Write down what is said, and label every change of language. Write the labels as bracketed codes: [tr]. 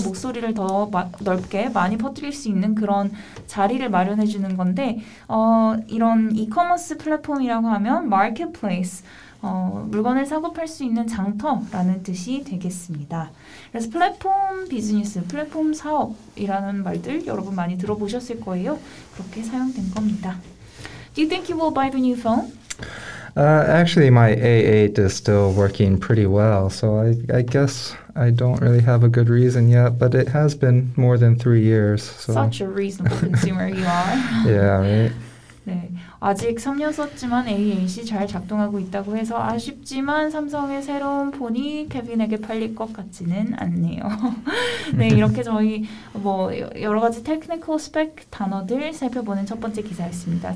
[ko] 목소리를 더 넓게 많이 퍼뜨릴 수 있는 그런 자리를 마련해주는 건데 이런 이커머스 플랫폼이라고 하면 마켓플레이스. 물건을 사고 팔 수 있는 장터라는 뜻이 되겠습니다. 그래서 플랫폼 비즈니스, 플랫폼 사업이라는 말들 여러분 많이 들어보셨을 거예요. 그렇게 사용된 겁니다. [en] Do you think you will buy the new phone? Actually, my A8 is still working pretty well, so I guess I don't really have a good reason yet, but it has been more than 3 years. So. Such a reasonable consumer you are. Yeah, right. [ko] 네, 아직 3년 썼지만 A8이 잘 작동하고 있다고 해서 아쉽지만 삼성의 새로운 폰이 케빈에게 팔릴 것 같지는 않네요. 네, 이렇게 저희 뭐 여러 가지 테크니컬 스펙 단어들 살펴보는 첫 번째 기사였습니다.